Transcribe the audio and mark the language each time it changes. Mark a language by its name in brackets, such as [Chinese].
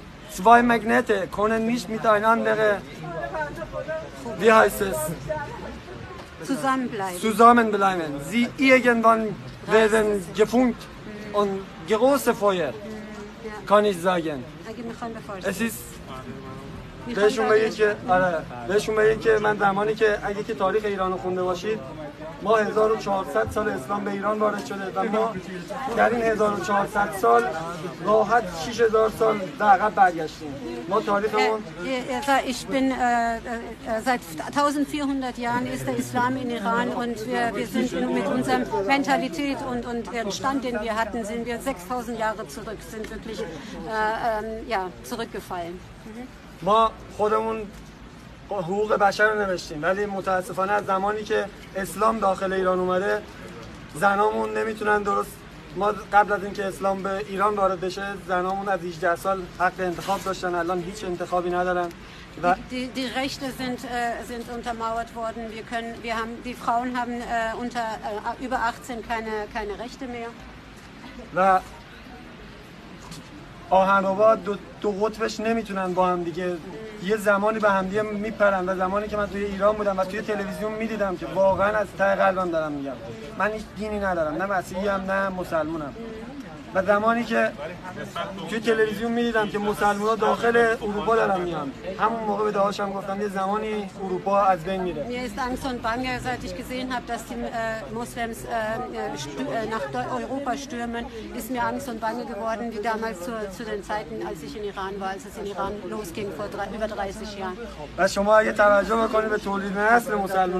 [German] Zwei Magnete können nicht miteinander, wie heißt es, zusammenbleiben. Zusammenbleiben. Sie irgendwann werden gefunkt und große Feuer, kann ich sagen. Es ist [Persian] بهشون میگه که آره بهشون میگه که من زمانی که اگه که تاریخ ایران رو خونده باشید ما 1400 سال اسلام به ایران وارد شده و ما در این 1400 سال راحت 6000 سال در عقب برگشتیم ما تاریخمون [German] ich bin seit 1400 Jahren ist der Islam in Iran und wir sind mit unserem Mentalität und den Stand den wir hatten sind wir 6000 Jahre zurück sind wirklich ja zurückgefallen [Persian] ما خودمون حقوق بشر رو نوشتیم ولی متاسفانه از زمانی که اسلام داخل ایران اومده زنامون نمیتونن درست ما قبل از اینکه اسلام به ایران وارد بشه زنامون از 18 سال حق انتخاب داشتن الان هیچ انتخابی ندارن [German] Die Rechte sind untermauert worden. Die Frauen haben unter über 18 keine Rechte mehr. [Persian] و آهنربا دو قطبش نمیتونن با هم دیگه یه زمانی به هم دیگه میپرن و زمانی که من توی ایران بودم و توی تلویزیون میدیدم که واقعا از ته قلبم دارم میگم من هیچ دینی ندارم نه مسیحی ام نه مسلمونم و زمانی که توی تلویزیون میدیدم که مسلمان ها داخل اروپا دارم میان همون موقع به داداشم هم گفتم یه زمانی اروپا از بین میره [German] mir ist angst und bange seit ich gesehen habe dass die muslims nach europa stürmen ist mir angst und bange geworden wie damals zu den zeiten als ich in iran war als es in iran losging vor über 30 jahren [Persian] و شما یه توجه بکنید به تولید نسل مسلمان